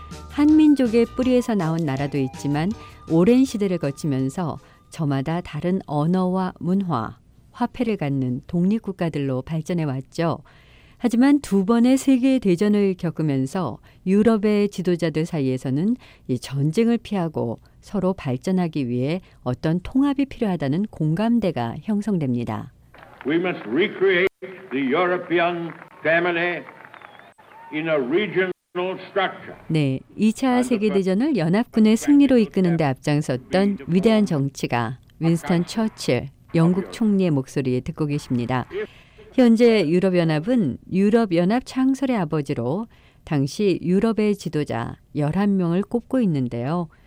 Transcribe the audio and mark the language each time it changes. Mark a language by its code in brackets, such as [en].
[ko] 한민족의 뿌리에서 나온 나라도 있지만 오랜 시대를 거치면서 저마다 다른 언어와 문화, 화폐를 갖는 독립국가들로 발전해 왔죠. 하지만 두 번의 세계대전을 겪으면서 유럽의 지도자들 사이에서는 이 전쟁을 피하고 서로 발전하기 위해 어떤 통합이 필요하다는 공감대가 형성됩니다. [en] We must recreate the European family in a regional structure. [ko] 네, 2차 세계대전을 연합군의 승리로 이끄는 데 앞장섰던 위대한 정치가 윈스턴 처칠, 영국 총리의 목소리에 듣고 계십니다. 현재 유럽연합은 유럽연합 창설의 아버지로 당시 유럽의 지도자 11명을 꼽고 있는데요.